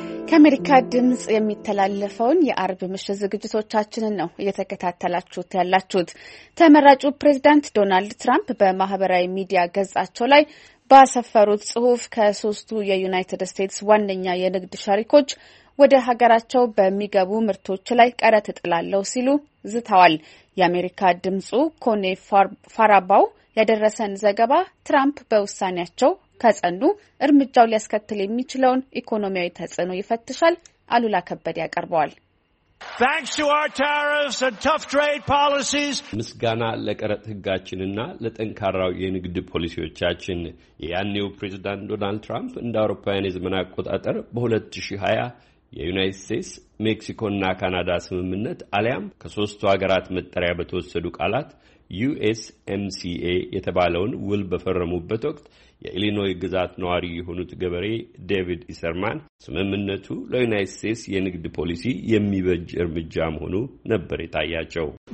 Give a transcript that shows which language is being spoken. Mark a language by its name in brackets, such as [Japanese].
[Amharic] የአሜሪካ ድምጽ የሚተላለፈውን የአርብ ምሽት ዝግጅቶቻችንን ነው እየተከታተላችሁት ያላችሁት። ተመራጩ ፕሬዝዳንት ዶናልድ ትራምፕ በማህበራዊ ሚዲያ ገጻቸው ላይ ባሰፈሩት ጽሑፍ ከሶስቱ የዩናይትድ ስቴትስ ዋነኛ የንግድ ሸሪኮች ወደ ሀገራቸው በሚገቡ ምርቶች ላይ ቀረጥ ጥላለው ሲሉ ዝተዋል። የአሜሪካ ድምጹ ኮኔ ፋራባው ያደረሰን ዘገባ ትራምፕ በውሳኔያቸው ከጸኑ እርምጃው ሊያስከትል የሚችለውን ኢኮኖሚያዊ ተጽዕኖ ይፈትሻል። አሉላ ከበደ ያቀርባል። [English] Thanks to our tariffs and tough trade policies. [Amharic] ምስጋና ለቀረጥ ህጋችንና ለጠንካራው የንግድ ፖሊሲዎቻችን። የያኔው ፕሬዝዳንት ዶናልድ ትራምፕ እንደ አውሮፓውያን ዘመን አቆጣጠር በ2020 የዩናይትድ ስቴትስ፣ ሜክሲኮና ካናዳ ስምምነት አሊያም ከሶስቱ ሀገራት መጠሪያ በተወሰዱ ቃላት USMCA የተባለውን ውል በፈረሙበት ወቅት የኢሊኖይ ግዛት ነዋሪ የሆኑት ገበሬ ዴቪድ ኢሰርማን ስምምነቱ ለዩናይትድ ስቴትስ የንግድ ፖሊሲ የሚበጅ እርምጃ መሆኑ ነበር የታያቸው።